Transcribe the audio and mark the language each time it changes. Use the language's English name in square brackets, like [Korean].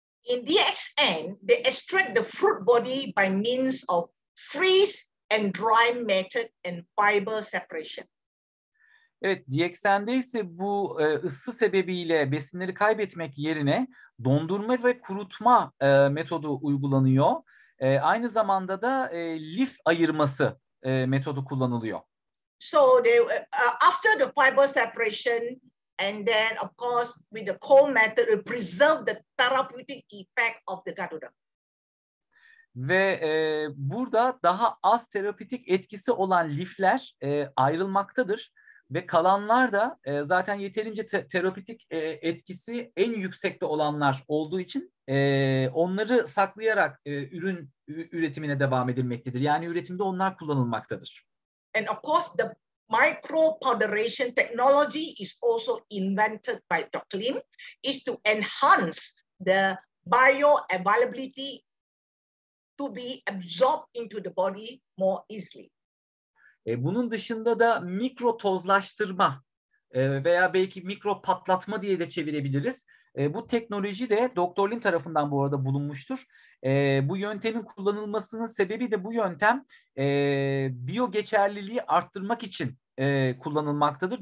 [English] In DXN, they extract the fruit body by means of freeze and dry method and fiber separation. [Turkish] Evet, DXN'de ise bu ısı sebebiyle besinleri kaybetmek yerine dondurma ve kurutma metodu uygulanıyor. Aynı zamanda da lif ayırması metodu kullanılıyor. [English] So they after the fiber separation and then of course with the cold method preserve the therapeutic effect of the Ganoderma. [Turkish] Ve burada daha az terapötik etkisi olan lifler ayrılmaktadır. Ve kalanlar da zaten yeterince terapötik etkisi en yüksekte olanlar olduğu için onları saklayarak ürün üretimine devam edilmektedir. Yani üretimde onlar kullanılmaktadır. [English] And of course the micro powderation technology is also invented by Dr. Lim is to enhance the bioavailability to be absorbed into the body more easily. [Turkish] Bunun dışında da mikro tozlaştırma veya belki mikro patlatma diye de çevirebiliriz. Bu teknoloji de Doktor Lin tarafından bu arada bulunmuştur. Bu yöntemin kullanılmasının sebebi de bu yöntem biyo geçerliliği arttırmak için kullanılmaktadır.